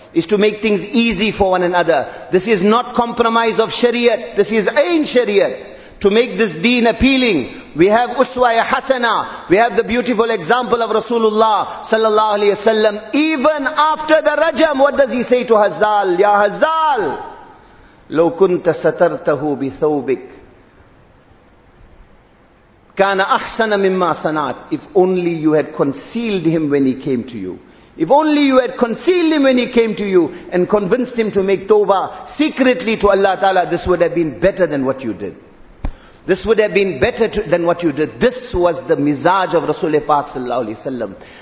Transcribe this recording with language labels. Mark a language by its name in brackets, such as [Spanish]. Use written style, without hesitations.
[English] Is to make things easy for one another. This is not compromise of Shariat. This is Ain Shariat. To make this deen appealing, we have Uswaya Hasana. We have the beautiful example of Rasulullah sallallahu alayhi wa sallam. Even after the Rajam, what does he say to Hazzal? [Arabic] Ya Hazzal, لو كنت سترته بثوبك كان أحسن مما صنعت. [English] If only you had concealed him when he came to you. If only you had concealed him when he came to you and convinced him to make tawbah secretly to Allah Ta'ala, this would have been better than what you did. This would have been better than what you did. This was the mizaj of Rasulullah Paak sallallahu alayhi wa sallam.